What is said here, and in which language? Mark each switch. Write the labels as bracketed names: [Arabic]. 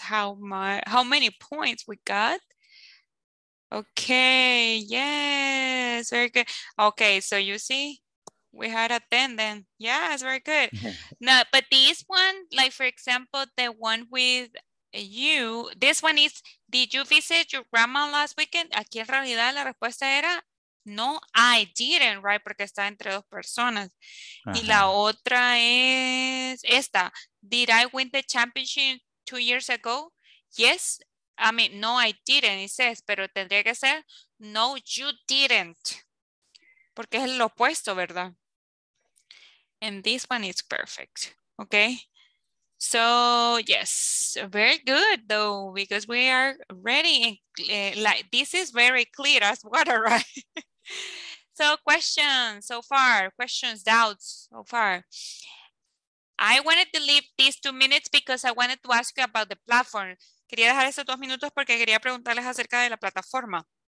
[English] How many points we got? Okay, yes, very good. Okay, so you see, we had a 10 then. Yes, very good. No, but this one, like for example, the one with you, this one is, did you visit your grandma last weekend? [Spanish] Aquí en realidad la respuesta era, [English] no, I didn't, [Spanish] right? Porque está entre dos personas. Uh-huh. Y la otra es esta. [English] Did I win the championship 2 years ago? Yes. I mean, no, I didn't. It says, [Spanish] pero tendría que ser, [English] no, you didn't. [Spanish] Porque es lo opuesto, ¿verdad? [English] And this one is perfect. Okay. So, yes, very good though, because we are ready. Like, this is very clear as water, right? So questions so far, questions, doubts so far. I wanted to leave these 2 minutes because I wanted to ask you about the platform. [Spanish] Quería dejar esos 2 minutos porque quería preguntarles acerca de la plataforma.